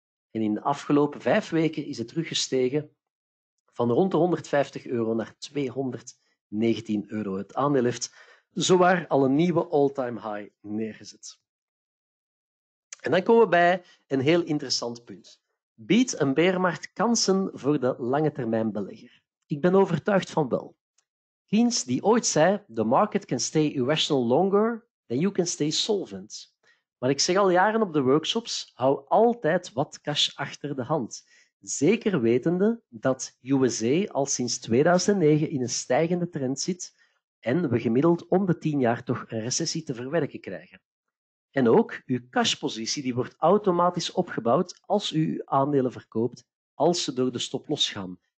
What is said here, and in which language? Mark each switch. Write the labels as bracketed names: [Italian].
[Dutch] En in de afgelopen 5 weken is het teruggestegen van rond de 150 euro naar 219 euro. Het aandeel heeft zowaar al een nieuwe all-time high neergezet. En dan komen we bij een heel interessant punt. Biedt een bearmarkt kansen voor de lange termijn belegger? Ik ben overtuigd van wel. Keynes die ooit zei, [English] the market can stay irrational longer than you can stay solvent. [Dutch] Maar ik zeg al jaren op de workshops, hou altijd wat cash achter de hand. Zeker wetende dat USA al sinds 2009 in een stijgende trend zit en we gemiddeld om de 10 jaar toch een recessie te verwerken krijgen. En ook, uw cashpositie die wordt automatisch opgebouwd als u uw aandelen verkoopt, als ze door de stop losgaan.